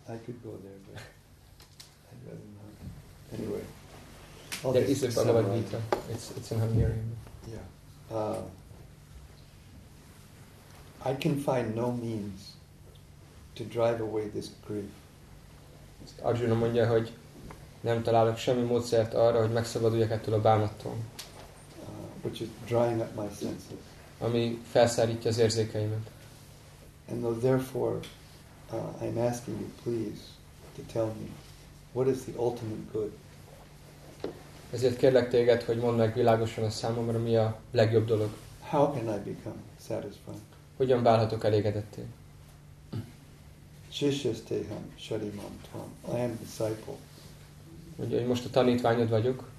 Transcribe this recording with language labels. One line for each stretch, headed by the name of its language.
English: I could go there, but I'd rather not. Anyway. There is a Bhagavad Gita. It's in Hungarian. Yeah. I can find no means to drive away this grief.
Hungarian: Arjuna mondja, hogy nem találok semmi módszert arra, hogy megszabaduljak ettől a bánattól.
English: Which is drying up my senses.
Hungarian: Ami felszárítja az érzékeimet.
English: And therefore, I'm asking you, please, to tell me, what is the ultimate good?
Hungarian: Ezért kérlek téged, hogy mondd meg világosan a számomra, mi a legjobb dolog.
English: How can I become satisfied?
Hungarian: Hogyan válhatok elégedetté?
Sanskrit: Shishyasteham sharimam tvam.
English: I am disciple.
Hungarian: Mondja, hogy most a tanítványod vagyok.